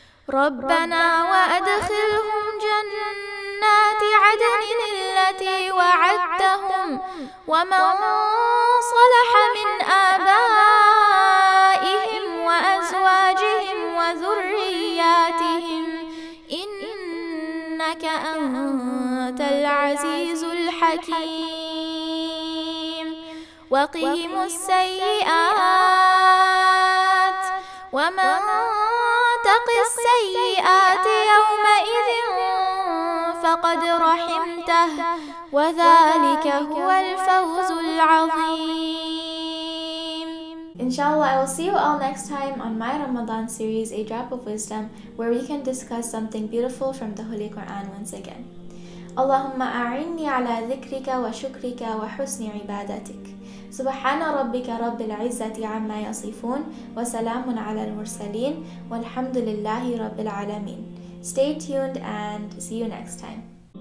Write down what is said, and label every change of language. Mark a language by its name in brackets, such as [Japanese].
[Arabic] ربنا وأدخلهم جنات عدن التي وعدتهم ومن صلح من آبائهم وأزواجهم وذرياتهم إنك أنت العزيز الحكيم وقهم السيئات ومن تق السيئات يومئذ فقد رحمته وذلك هو الفوز العظيم. [English] Inshallah, I will see you all next time on my Ramadan series, A Drop of Wisdom, where we can discuss something beautiful from the Holy Quran once again. [Arabic] Allahumma a'inni ala dhikrika wa shukrika wa husni ibadatik. سبحان ربك رب العزة عما يصفون وسلام على المرسلين والحمد لله رب العالمين. [English] Stay tuned and see you next time.